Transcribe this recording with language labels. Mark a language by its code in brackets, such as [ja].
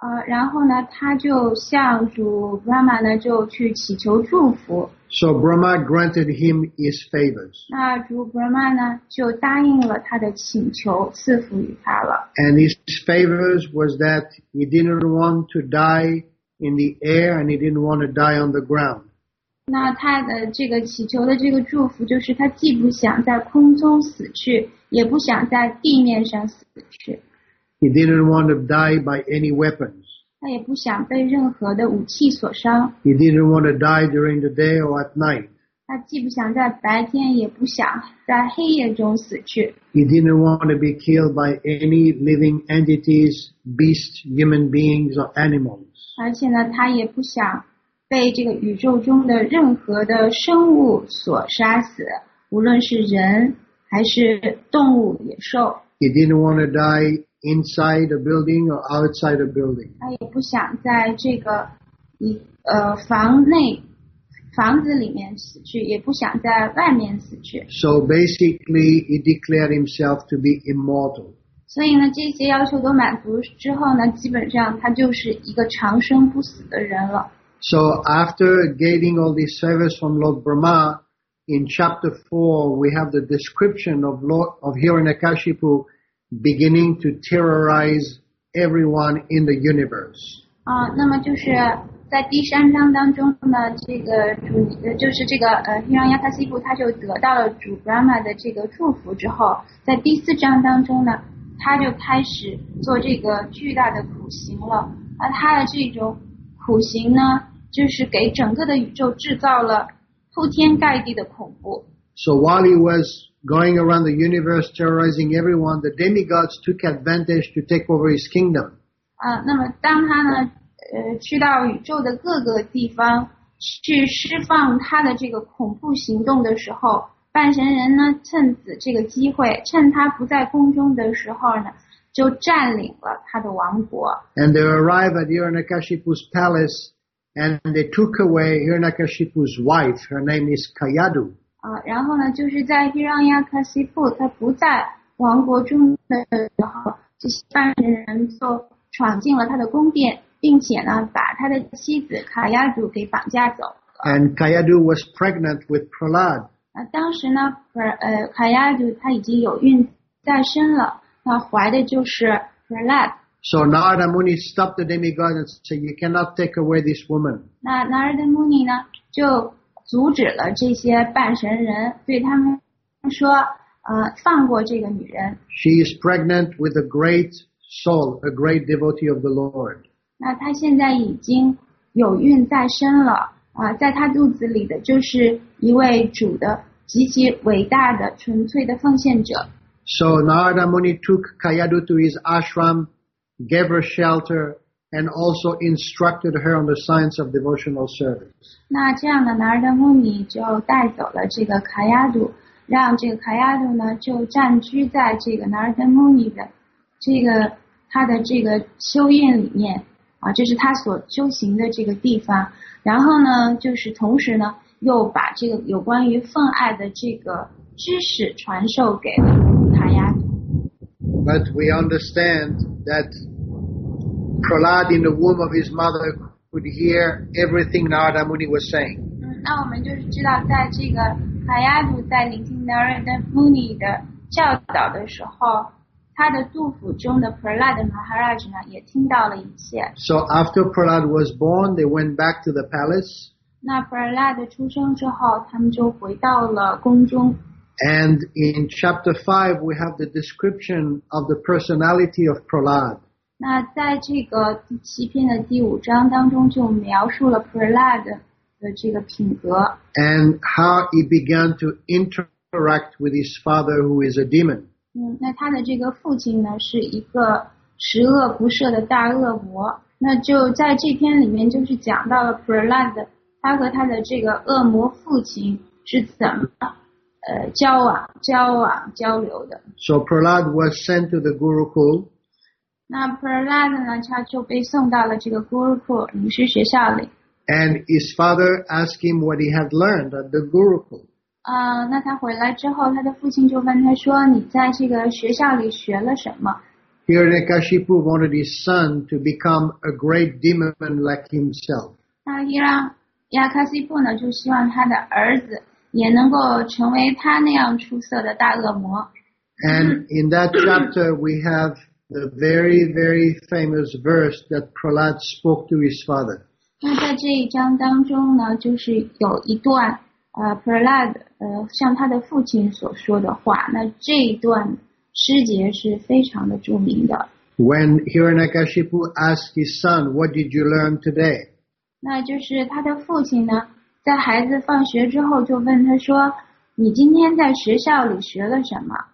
[zh] 然后呢，他就向主 Brahma 呢就去祈求祝福。 [en] So Brahma granted him his favors. [zh] 那主 Brahma 呢就答应了他的请求，赐福于他了。 [en] And his favors was that he didn't want to die in the air and he didn't want to die on the ground. [zh] 那他的这个祈求的这个祝福，就是他既不想在空中死去，也不想在地面上死去。 [en] He didn't want to die by any weapons. [zh] 他也不想被任何的武器所伤。 [en] He didn't want to die during the day or at night. [zh] 他既不想在白天，也不想在黑夜中死去。 [en] He didn't want to be killed by any living entities, beasts, human beings, or animals. [zh] 而且呢，他也不想被这个宇宙中的任何的生物所杀死，无论是人还是动物、野兽。 [en] He didn't want to die. Inside a building or outside a building. [zh] 他也不想在这个房内房子里面死去，也不想在外面死去。 [en] So basically, he declared himself to be immortal. [zh] 所以呢，这些要求都满足之后呢，基本上他就是一个长生不死的人了。 [en] So after getting all these service from Lord Brahma, in chapter 4, we have the description of Hiranyakashipu beginning to terrorize everyone in the universe. [zh] 那么就是在第三章当中呢，这个主就是这个Hiranyakashipu他就得到了主 Brahma 的这个祝福之后，在第四章当中呢，他就开始做这个巨大的苦行了。而他的这种苦行呢，就是给整个的宇宙制造了铺天盖地的恐怖。 [en] So while he was going around the universe terrorizing everyone, the demigods took advantage to take over his kingdom. [zh] 那么当他呢，去到宇宙的各个地方去释放他的这个恐怖行动的时候，半神人呢，趁此这个机会，趁他不在宫中的时候呢，就占领了他的王国。 [en] And they arrive at Hiranyakashipu's palace, and they took away Hiranyakashipu's wife. Her name is Kayadu. [zh] 然后呢，就是在 Hiranyakashipu 他不在王国中的时候，这些半神人就闯进了他的宫殿，并且呢，把他的妻子 Kayadu 给绑架走了。 [en] And Kayadu was pregnant with Prahlad. [zh] 当时呢，卡亚杜他已经有孕在身了，他怀的就是 Prahlad。 [en] So Narada Muni stopped the demigod and said, "You cannot take away this woman." [zh] 那 Narada Muni 呢，就阻止了这些半神人，对他们说，放过这个女人。 [en] She is pregnant with a great soul, a great devotee of the Lord. [zh] 那她现在已经有孕在身了。在他肚子里的就是一位主的极其伟大的纯粹的奉献者。 [en] So Narada Muni took Kayadu to his ashram, gave her shelter, and also instructed her on the science of devotional service. [zh] 那这样的 Narada Muni 就带走了这个 Kayadu， 让这个 Kayadu 呢就暂居在这个 Narada Muni 的这个他的这个修院里面。就是他所修行的这个地方，然后呢，就是同时呢，又把这个有关于奉爱的这个知识传授给了卡亚杜。 [en] But we understand that Prahlad in the womb of his mother could hear everything Narada Muni was saying. [zh] 那我们就是知道，在这个卡亚杜在聆听 Narada Muni 的教导的时候。他的肚腹中的 Prahlad Maharaj 呢，也听到了一切。 [en] So after Prahlad was born, they went back to the palace. [zh] 那 Prahlad 出生之后，他们就回到了宫中。 [en] And in chapter 5, we have the description of the personality of Prahlad. [zh] 那在这个第七篇的第五章当中，就描述了 Prahlad 的这个品格。 [en] And how he began to interact with his father, who is a demon. [zh] 那他的这个父亲呢，是一个十恶不赦的大恶魔。那就在这篇里面，就是讲到了 Prahlad 他和他的这个恶魔父亲是怎么交流的。 [en] So Prahlad was sent to the Gurukul. [zh] 那 Prahlad 呢，他就被送到了这个 Gurukul 临时学校里。 [en] And his father asked him what he had learned at the Gurukul. [zh] 那他回来之后，他的父亲就问他说：“你在这个学校里学了什么？” [en] Hiranyakashipu wanted his son to become a great demon like himself. [zh] 那 Hiranyakashipu 呢，就希望他的儿子也能够成为他那样出色的大恶魔。 [en] And in that chapter, we have the very, very famous verse that Prahlad spoke to his father. [zh] 那在这一章当中呢，就是有一段。 Prahlad 向他的父亲所说的话，那这一段诗节是非常的著名的。 [en] When Hiranyakashipu asked his son, "What did you learn today?" [zh] 那就是他的父亲呢，在孩子放学之后就问他说，你今天在学校里学了什么？